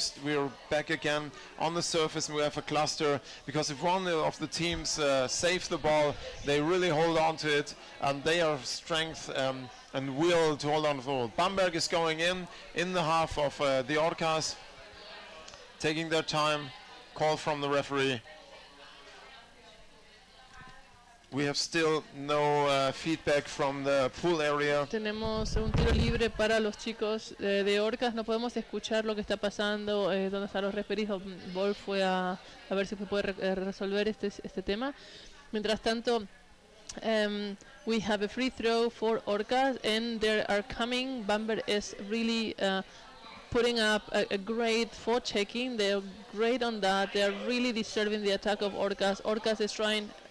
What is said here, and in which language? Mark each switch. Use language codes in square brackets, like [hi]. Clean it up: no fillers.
[en] We're back again on the surface, and we have a cluster, because if one of the teams save the ball, they really hold on to it, and they have strength and will to hold on to the ball. Bamberg is going in the half of the Orcas, taking their time. Call from the referee. We have still no feedback from the pool area. [es] Tenemos un tiro libre para los chicos de Orcas. No podemos escuchar lo que está pasando. ¿Dónde están los referidos? Wolf fue a ver si puede resolver este tema. Mientras tanto, [en] we have a free throw for Orcas, and they are coming. Bamberg is really putting up a great forechecking. They're great on that. They are really deserving the attack of Orcas. Orcas is trying.